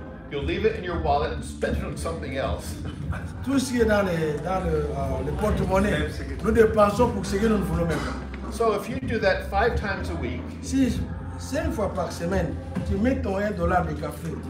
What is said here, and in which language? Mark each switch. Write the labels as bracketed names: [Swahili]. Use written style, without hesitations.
[English] you'll leave it in your wallet and spend it on something else. [French] Tout ce qui est dans le porte-monnaie, nous dépensons pour ce que nous voulons même. [English] So if you do that 5 times a week, [French] si 5 fois par semaine, tu mets ton $1 de café.